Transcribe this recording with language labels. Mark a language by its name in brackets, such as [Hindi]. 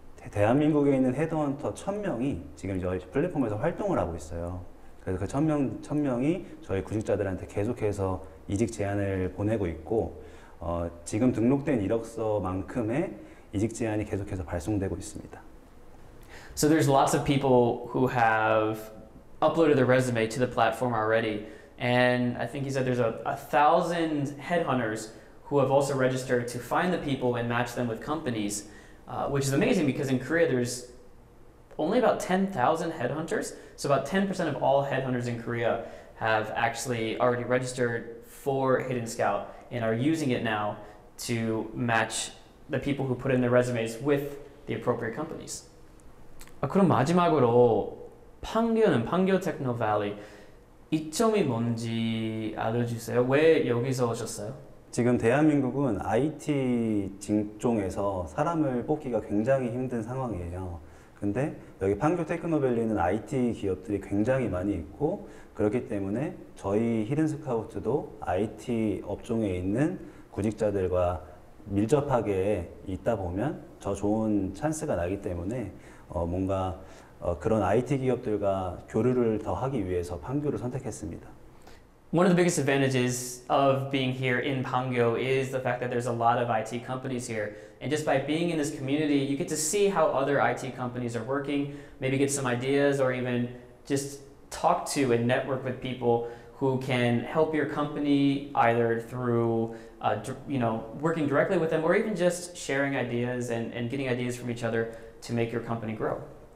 [Korean] 대한민국에 있는 헤드헌터 1,000명이 지금 저희 플랫폼에서 활동을 하고 있어요. 그래서 그 1,000명이 저희 구직자들한테 계속해서 이직 제안을 보내고 있고, 지금 등록된 이력서만큼의 이직 제안이 계속해서 발송되고 있습니다. [English] So there's lots of people who have uploaded their resume to the platform already. And I think you said there's a thousand headhunters who have also registered to find the people and match them with companies, which is amazing because in Korea there's only about 10,000 headhunters. So about 10% of all headhunters in Korea have actually already registered for Hidden Scout and are using it now to match the people who put in their resumes with the appropriate companies. [Korean] 그럼 마지막으로 판교는 판교 테크노 밸리 이 점이 뭔지 알려주세요. 왜 여기서 오셨어요? 지금 대한민국은 IT 직종에서 사람을 뽑기가 굉장히 힘든 상황이에요. 근데 여기 판교 테크노밸리는 IT 기업들이 굉장히 많이 있고 그렇기 때문에 저희 히든스카우트도 IT 업종에 있는 구직자들과 밀접하게 있다 보면 더 좋은 찬스가 나기 때문에 뭔가 그런 IT 기업들과 교류를 더 하기 위해서 판교를 선택했습니다. [English] One of the biggest advantages of being here in Panggyo is the fact that there's a lot of IT companies here. And just by being in this community, you get to see how other IT companies are working, maybe get some ideas or even just talk to and network with people who can help your company either through working directly with them or even just sharing ideas and getting ideas from each other to make your company grow.